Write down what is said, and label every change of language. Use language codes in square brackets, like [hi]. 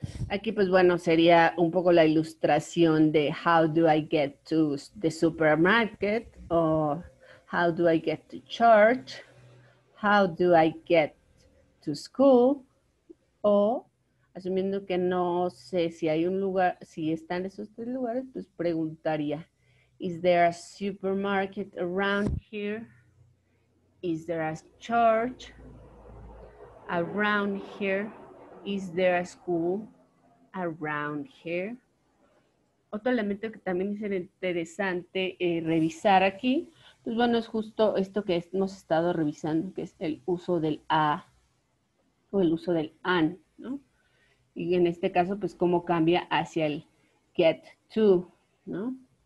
[es] Aquí, pues bueno, sería un poco la ilustración de [en] how do I get to the supermarket o how do I get to church, How do I get to school? [es] O, asumiendo que no sé si hay un lugar, si están esos tres lugares, pues preguntaría, [en] is there a supermarket around here? Is there a church around here? Is there a school around here? [es] Otro elemento que también sería interesante revisar aquí, pues bueno, es justo esto que hemos estado revisando, que es el uso del a o el uso del an, ¿no? Y en este caso, pues cómo cambia hacia el get to, ¿no?